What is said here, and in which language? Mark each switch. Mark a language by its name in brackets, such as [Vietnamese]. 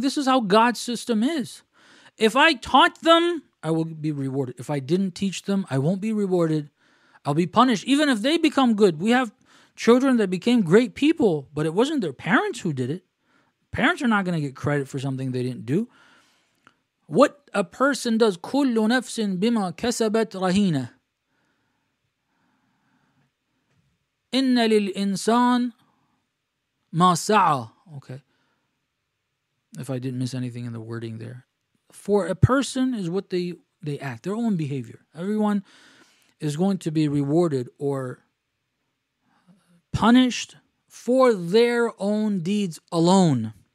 [English] This is how God's system is. If I taught them, I will be rewarded. If I didn't teach them, I won't be rewarded. I'll be punished. Even if they become good. We have children that became great people, but it wasn't their parents who did it. Parents are not going to get credit for something they didn't do. What a person does, [Arabic] كُلُّ نَفْسٍ بِمَا كَسَبَتْ رَهِينَةً إِنَّ لِلْإِنسَانِ مَا سَعَى. [English] Okay. If I didn't miss anything in the wording there. For a person is what they act, their own behavior. Everyone is going to be rewarded or punished for their own deeds alone.